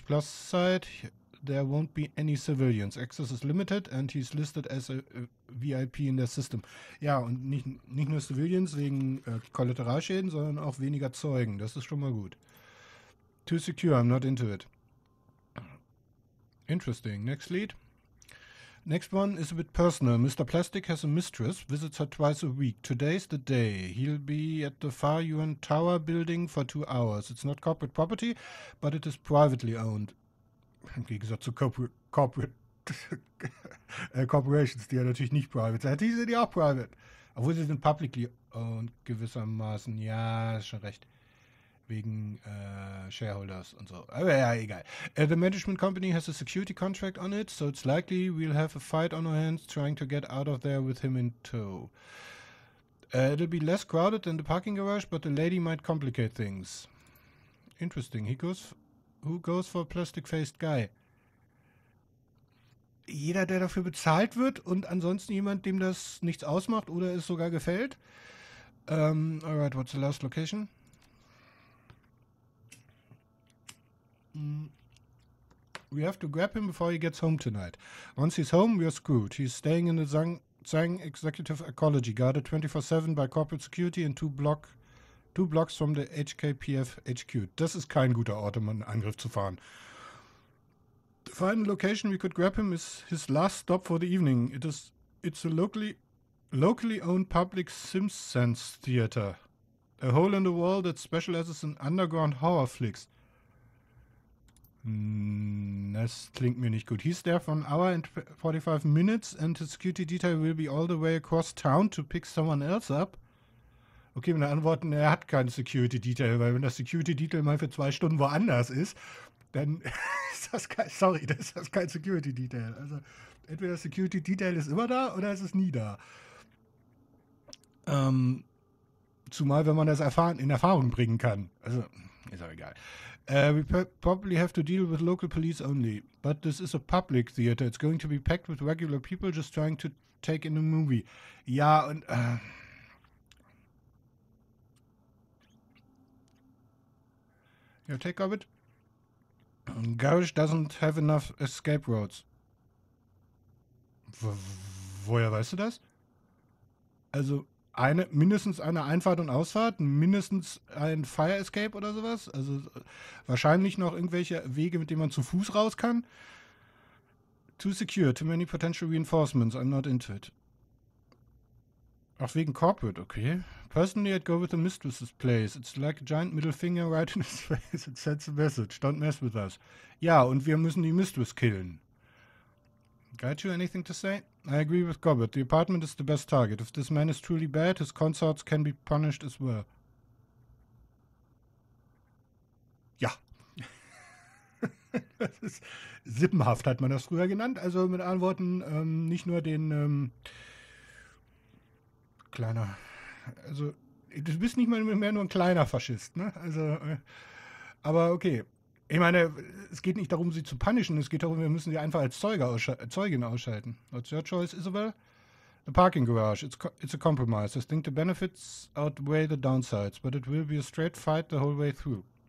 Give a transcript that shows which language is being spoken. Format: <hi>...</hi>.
<en>Plus side, there won't be any civilians. Access is limited and he's listed as a VIP in their system.</en> <de>Ja, und nicht nur Civilians wegen Kollateralschäden, sondern auch weniger Zeugen.</de> <en>Das ist schon mal gut. Too secure, I'm not into it. Interesting. Next lead. Next one is a bit personal. Mr. Plastic has a mistress, visits her twice a week. Today's the day. He'll be at the Far Yuan Tower building for 2 hours. It's not corporate property, but it is privately owned.</en> <de>Im Gegensatz zu Corporations, die are natürlich nicht private. Die sind ja auch private. Obwohl sie sind publicly owned, gewissermaßen. Ja, schon recht. Wegen Shareholders und so. Aber ja, egal.</de> <en>The management company has a security contract on it, so it's likely we'll have a fight on our hands trying to get out of there with him in tow. It'll be less crowded than the parking garage, but the lady might complicate things. Interesting. Who goes for a plastic-faced guy?</en> <de>Jeder, der dafür bezahlt wird und ansonsten jemand, dem das nichts ausmacht oder es sogar gefällt.</de> <en>Alright, what's the last location? We have to grab him before he gets home tonight. Once he's home, we are screwed. He's staying in the Zhang Executive Ecology, guarded 24/7 by corporate security and two blocks from the HKPF HQ.</en> <de>Das ist kein guter Ort, um einen Angriff zu fahren.</de> <en>The final location we could grab him is his last stop for the evening. It's a locally owned public Simpsons theater. A hole in the wall that specializes in underground horror flicks. Das klingt mir nicht gut. He's there for an hour and 45 minutes and his security detail will be all the way across town to pick someone else up.</en> <de>Okay, meine Antworten, er hat keine Security Detail, weil wenn das Security Detail mal für 2 Stunden woanders ist, dann ist das kein Security Detail. Also entweder Security Detail ist immer da oder es ist nie da. Zumal, wenn man das in Erfahrung bringen kann. Also, ist auch egal.</de> <en>We probably have to deal with local police only, but this is a public theater. It's going to be packed with regular people just trying to take in a movie. Ja, und your take of it? Garage doesn't have enough escape routes.</en> <de>Woher weißt du das? Also, mindestens eine Einfahrt und Ausfahrt, mindestens ein Fire Escape oder sowas. Also wahrscheinlich noch irgendwelche Wege, mit denen man zu Fuß raus kann.</de> <en>Too secure, too many potential reinforcements, I'm not into it. Auch wegen Corporate, okay. Personally, I'd go with the mistress's place. It's like a giant middle finger right in his face. It sends a message. Don't mess with us. Ja, und wir müssen die Mistress killen. Got you anything to say? I agree with Gobbert. The apartment is the best target. If this man is truly bad, his consorts can be punished as well.</en> <de>Ja. Das ist sippenhaft, hat man das früher genannt. Also mit anderen Worten, nicht nur den kleiner. Also, du bist nicht mal mehr nur ein kleiner Faschist, ne? Also, aber okay. Ich meine, es geht nicht darum, sie zu punishen, es geht darum, wir müssen sie einfach als Zeugin ausschalten.</de> <en>What's your choice, Isabel? The parking garage. It's a compromise. I think the benefits outweigh the downsides, but it will be a straight fight the whole way through.</en>